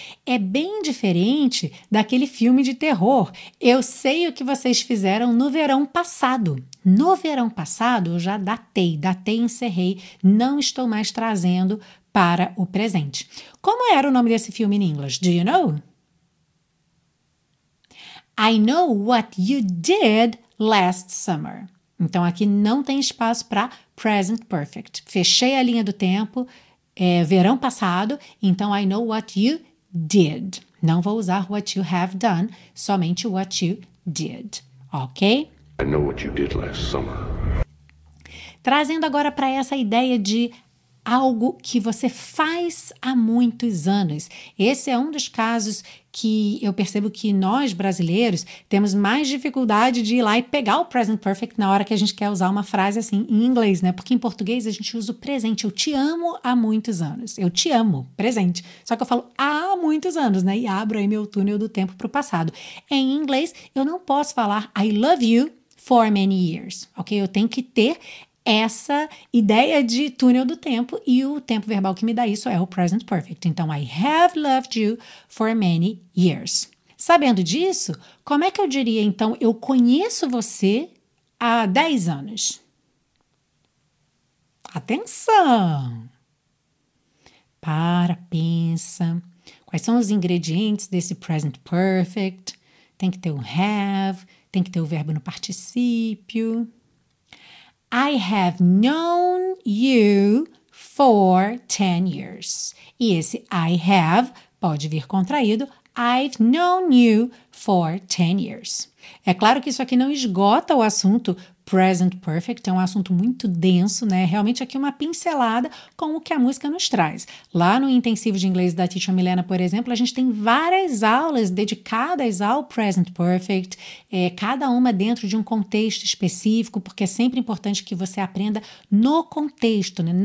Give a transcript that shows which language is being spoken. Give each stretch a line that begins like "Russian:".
Portuguese: É bem diferente daquele filme de terror. Eu sei o que vocês fizeram no verão passado. No verão passado, eu já datei, encerrei. Não estou mais trazendo para o presente. Como era o nome desse filme em inglês?
English: Do you know? I know what you did last summer.
Portuguese: Então, aqui não tem espaço para present perfect. Fechei a linha do tempo, verão passado, então
English: I know what you did.
Portuguese: Não vou usar
English: what you have done,
Portuguese: somente
English: what you did.
Portuguese: Ok?
English: I know what you did last summer.
Portuguese: Trazendo agora para essa ideia de algo que você faz há muitos anos. Esse é um dos casos que eu percebo que nós, brasileiros, temos mais dificuldade de ir lá e pegar o present perfect na hora que a gente quer usar uma frase assim em inglês, né? Porque em português a gente usa o presente. Eu te amo há muitos anos. Eu te amo, presente. Só que eu falo há muitos anos, né? E abro aí meu túnel do tempo para o passado. Em inglês, eu não posso falar
English: I love you for many years,
Portuguese: ok? Eu tenho que ter essa ideia de túnel do tempo, e o tempo verbal que me dá isso é o present perfect.
English: Então, I have loved you for many years.
Portuguese: Sabendo disso, como é que eu diria, então, eu conheço você há 10 anos? Atenção! Para, pensa. Quais são os ingredientes desse present perfect? Tem que ter o have, tem que ter o verbo no particípio.
English: I have known you for 10 years. E esse I have
Portuguese: pode vir contraído.
English: I've known you for 10 years.
Portuguese: É claro que isso aqui não esgota o assunto present perfect. É um assunto muito denso, né? Realmente aqui uma pincelada com o que a música nos traz. Lá no intensivo de inglês da Teacher Milena, por exemplo, a gente tem várias aulas dedicadas ao present perfect, cada uma dentro de um contexto específico, porque é sempre importante que você aprenda no contexto, né?